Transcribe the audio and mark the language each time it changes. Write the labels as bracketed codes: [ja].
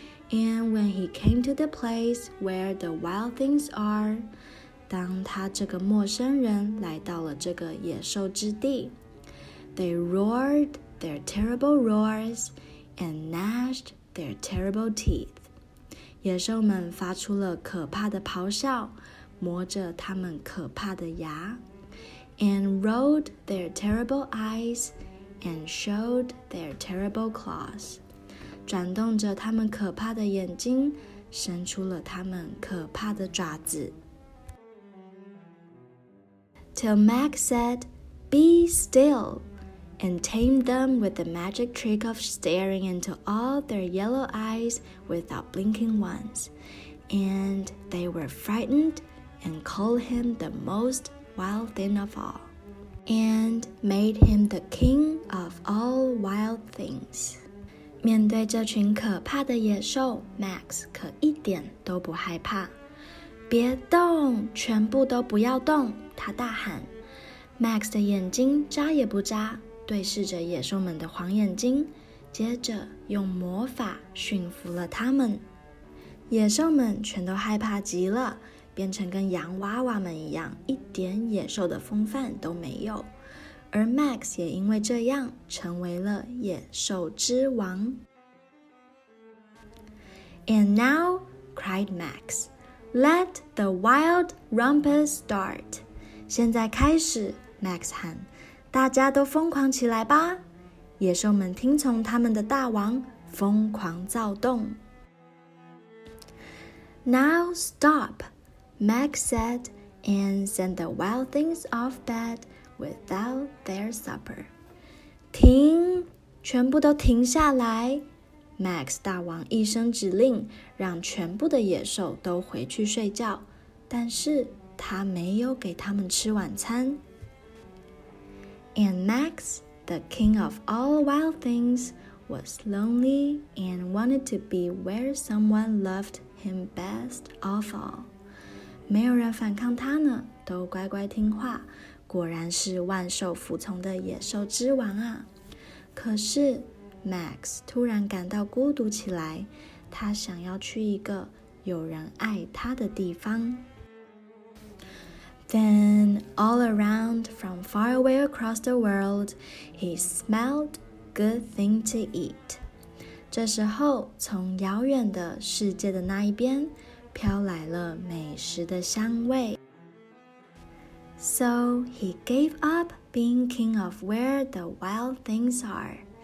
[en] And when he came to the place where the wild things are， [zh] 当他这个陌生人来到了这个野兽之地 [en] ，they roared their terrible roars and gnashed their terrible teeth。 [zh] 野兽们发出了可怕的咆哮，磨着他们可怕的牙。 [en] And rolled their terrible eyes and showed their terrible claws. [zh] 转动着他们可怕的眼睛，伸出了他们可怕的爪子。 [en] Till Max said, Be still, and tamed them with the magic trick of staring into all their yellow eyes without blinking once. And they were frightened and called him the most wild thing of all. And made him the king of all wild things. [zh] 面对这群可怕的野兽 ,Max 可一点都不害怕。别动，全部都不要动，他大喊。 Max 的眼睛眨也不眨，对视着野兽们的黄眼睛，接着用魔法驯服了他们。野兽们全都害怕极了，变成跟洋娃娃们一样，一点野兽的风范都没有。而 Max 也因为这样成为了野兽之王。 [en] And now, cried Max, let the wild rumpus start. [zh] 现在开始 ,Max 喊。大家都疯狂起来吧！野兽们听从他们的大王，疯狂躁动。 [en] Now stop, Meg said, and sent the wild things off bed without their supper. [zh] 停，全部都停下来。 Max 大王一声指令，让全部的野兽都回去睡觉，但是他没有给他们吃晚餐。 [en] And Max, the king of all wild things, was lonely and wanted to be where someone loved him best of all. [zh] 没有人反抗他呢，都乖乖听话，果然是万兽服从的野兽之王啊。可是Max 突然感到孤独起来，他想要去一个有人爱他的地方。 [en] Then, all around, from far away across the world, he smelled good thing to eat. [zh] 这时候，从遥远的世界的那一边，飘来了美食的香味。 [en] So, he gave up being king of where the wild things are.